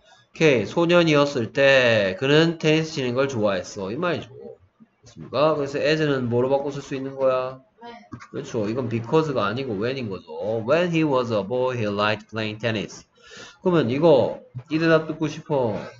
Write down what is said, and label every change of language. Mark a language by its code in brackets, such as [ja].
[ko] 오케이, 소년이었을 때 그는 테니스 치는 걸 좋아했어. 이 말이죠. 맞습니까? 그래서 as는 뭐로 바꿔 쓸수 있는 거야? 그렇죠. 이건 because가 아니고 when인 거죠. [en] When he was a boy, he liked playing tennis. [ko] 그러면 이거 이 대답 듣고 싶어.